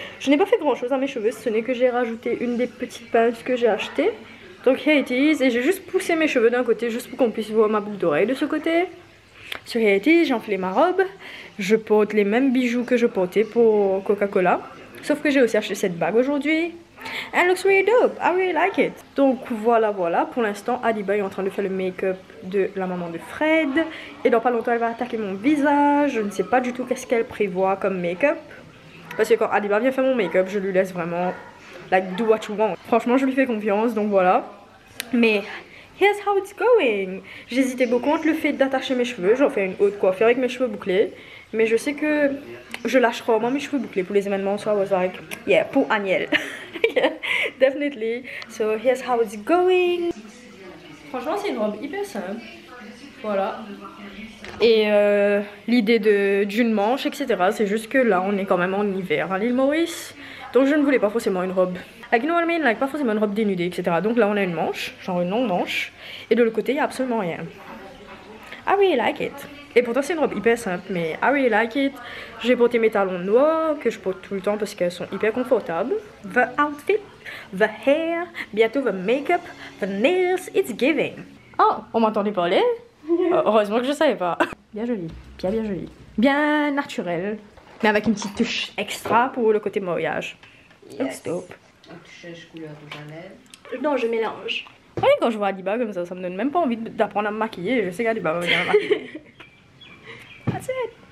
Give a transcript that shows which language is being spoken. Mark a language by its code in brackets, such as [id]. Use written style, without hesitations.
[fr] Je n'ai pas fait grand chose à mes cheveux, ce n'est que j'ai rajouté une des petites pinces que j'ai achetées. Donc [en] here it is, [fr] et j'ai juste poussé mes cheveux d'un côté juste pour qu'on puisse voir ma boucle d'oreille de ce côté. Sur [en] here it is, [fr] j'ai enfilé ma robe, je porte les mêmes bijoux que je portais pour Coca-Cola. Sauf que j'ai aussi acheté cette bague aujourd'hui. [en] It looks really dope, I really like it. [fr] Donc voilà voilà, pour l'instant Adiba est en train de faire le make-up de la maman de Fred. Et dans pas longtemps elle va attaquer mon visage. Je ne sais pas du tout qu'est-ce qu'elle prévoit comme make-up. Parce que quand Adiba vient faire mon make-up, je lui laisse vraiment [en] like do what you want. [fr] Franchement je lui fais confiance, donc voilà. Mais [en] here's how it's going. [fr] J'hésitais beaucoup entre le fait d'attacher mes cheveux, j'en fais une haute coiffure avec mes cheveux bouclés. Mais je sais que je lâcherai au moins mes cheveux bouclés pour les événements, [en] so I was like, yeah, [fr] pour Aniel. [en] Yeah, definitely. So here's how it's going. [fr] Franchement, c'est une robe hyper simple. Voilà. Et l'idée d'une manche, etc., c'est juste que là, on est quand même en hiver à l'île Maurice. Donc je ne voulais pas forcément une robe. [en] Like, you know what I mean? [fr] Like, pas forcément une robe dénudée, etc. Donc là, on a une manche, genre une longue manche. Et de l'autre côté, il n'y a absolument rien. [en] I really like it. [fr] Et pourtant c'est une robe hyper simple, mais [en] I really like it. [fr] J'ai porté mes talons noirs que je porte tout le temps parce qu'elles sont hyper confortables. [en] The outfit, the hair, bientôt the makeup, the nails, it's giving. [fr] Oh, on m'entendait parler? Heureusement que je savais pas. Bien joli, bien bien joli. Bien naturel, mais avec une petite touche extra pour le côté mariage. [en] Yes. Looks dope. [fr] Un petit change couleur de Janelle. Non, je mélange. Oui, quand je vois Adiba comme ça, ça me donne même pas envie d'apprendre à me maquiller. Je sais qu'Adiba va venir me maquiller. [en] That's it.